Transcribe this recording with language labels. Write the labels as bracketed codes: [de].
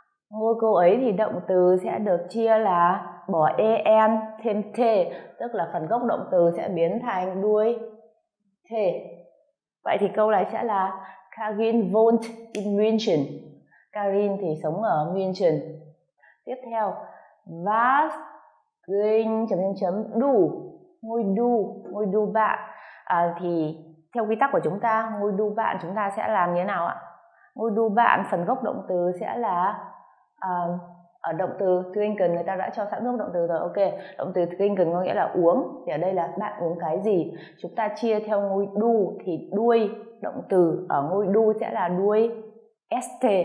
[vi] Ngôi cô ấy thì động từ sẽ được chia là bỏ en thêm thê, tức là phần gốc động từ sẽ biến thành đuôi thê. Vậy thì câu này sẽ là [de] Karin wohnt in München. [vi] Karin thì sống ở München. Tiếp theo, [de] was ging du, [vi] ngôi du bạn. Thì theo quy tắc của chúng ta, ngôi du bạn chúng ta sẽ làm như thế nào ạ? Ngôi du bạn phần gốc động từ sẽ là ở động từ trinken, người ta đã cho sẵn gốc động từ rồi. Ok, động từ trinken có nghĩa là uống, thì ở đây là bạn uống cái gì. Chúng ta chia theo ngôi du thì đuôi động từ ở ngôi du sẽ là đuôi st.